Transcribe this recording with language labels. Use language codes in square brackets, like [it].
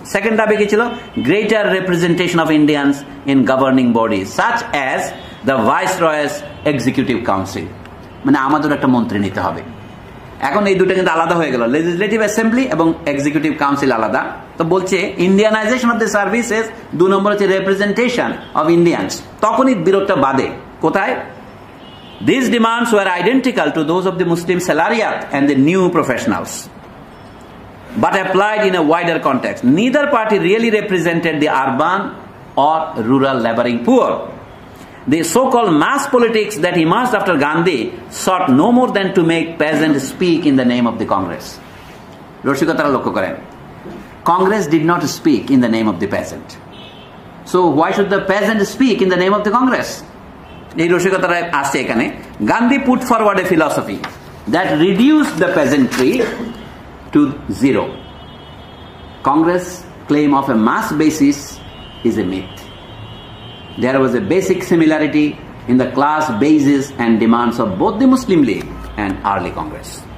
[en] second [bn] দাবি কি ছিল, [en] greater representation of Indians in governing body such as the viceroy's executive council, [bn] মানে আমাদের একটা মন্ত্রী নিতে হবে। এখন এই দুটো কিন্তু আলাদা হয়ে গেল, লেজিসলেটিভ অ্যাসেম্বলি এবং এক্সিকিউটিভ কাউন্সিল আলাদা। তো বলছে [en] Indianisation of the services, [bn] দুই নম্বর হচ্ছে [en] Representation of Indians. [bn] তখনই বিরোধটা বাদে কোথায়, [en] these demands were identical to those of the Muslim salariat and the new professionals but applied in a wider context, neither party really represented the urban or rural laboring poor. The so called mass politics that emerged after Gandhi sought no more than to make peasants speak in the name of the Congress. [bn] Roshikotara lokkho koren, [en] Congress did not speak in the name of the peasant, so why should the peasant speak in the name of the Congress? [bn] এই রসিকতাটা আসছে এখানে, [en] Gandhi put forward a philosophy that reduce the pageantry to zero, Congress claim of a mass basis is a myth, there was a basic similarity in the class basis and demands of both the Muslim League and early Congress.